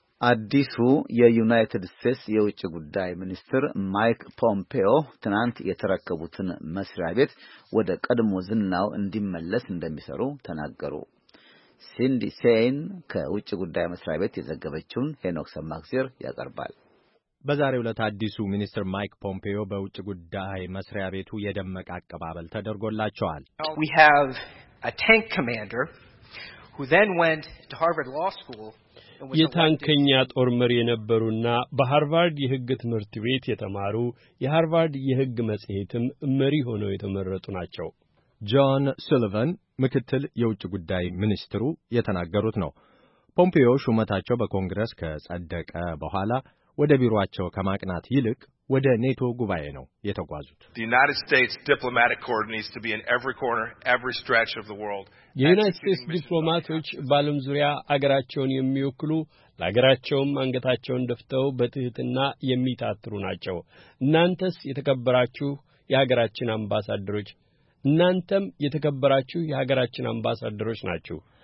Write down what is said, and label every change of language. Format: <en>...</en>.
<am>አዲሱ የዩናይትድ ስቴትስ የውጭ ጉዳይ ሚኒስትር ማይክ ፖምፔዮ ትናንት የተረከቡትን መስሪያ ቤት ወደ ቀድሞ ዝናው እንዲመለስ እንደሚሰሩ ተናገሩ። ሲንዲ ሴን ከውጭ ጉዳይ መስሪያ ቤት የዘገበችውን ሄኖክ ሰማክሲር ያቀርባል። በዛሬው ዕለት አዲሱ ሚኒስትር ማይክ ፖምፒዮ በውጭ ጉዳይ መስሪያ ቤቱ የደመቀ አቀባበል ተደርጎላቸዋል።</am> <en>We have a tank commander who then went to Harvard Law School.</en> <am>የታንከኛ ጦር መሪ የነበሩና በሃርቫርድ የሕግ ትምህርት ቤት የተማሩ የሃርቫርድ የሕግ መጽሔትም መሪ ሆነው የተመረጡ ናቸው። ጆን ሱሊቫን ምክትል የውጭ ጉዳይ ሚኒስትሩ የተናገሩት ነው። ፖምፒዮ ሹመታቸው በኮንግረስ ከጸደቀ በኋላ ወደ ቢሮአቸው ከማቅናት ይልቅ ወደ ኔቶ ጉባኤ ነው የተጓዙት።</am> <en>The United States diplomatic corps needs to be in every corner, every stretch of the world.</en> <am>የዩናይትድ ስቴትስ ዲፕሎማቶች ባለም ዙሪያ አገራቸውን የሚወክሉ ለአገራቸውም አንገታቸውን ደፍተው በትህትና የሚታትሩ ናቸው። እናንተስ የተከበራችሁ የሀገራችን አምባሳደሮች እናንተም የተከበራችሁ የሀገራችን አምባሳደሮች ናችሁ።</am>